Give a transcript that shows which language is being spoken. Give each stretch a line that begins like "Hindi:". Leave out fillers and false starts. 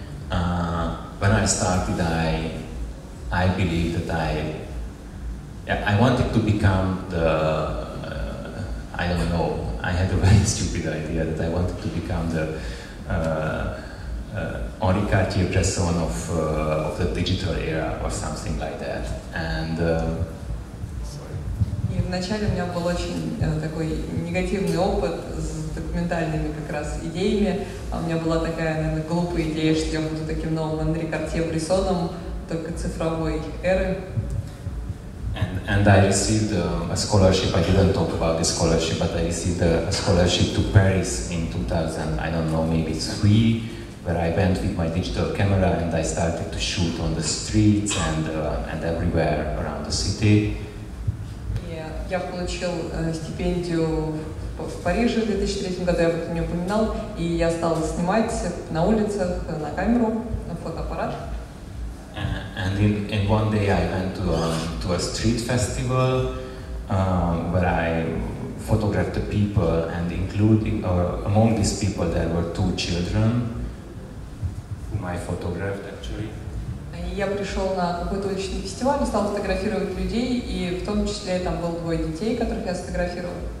English: When I started, I believed that I wanted to become the, I don't know, I had a very stupid idea that I wanted to become the Henri Cartier-Bresson of the digital era or something like that. And, sorry.
Russian: И вначале у меня был очень такой негативный опыт с документальными как раз идеями. У меня была такая, наверное, глупая идея, что я буду таким новым Henri Cartier-Bressoном, только цифровой эры.
English: And I received a scholarship. I didn't talk about the scholarship, but I received a scholarship to Paris in 2000, I don't know, maybe 3, where I went with my digital camera and I started to shoot on the streets and everywhere around the city.
Russian: Yeah, я получил стипендию в Париже в 2003 году, я об этом не упоминал, и я стал снимать на улицах, на камеру, на фотоаппарат.
English: And in one day I went to a street festival where I photographed the people, and including among these people there were 2 children whom I photographed actually.
Russian: Я пришел на какой-то уличный фестиваль и стал фотографировать людей, и в том числе там было 2 детей, которых я сфотографировал.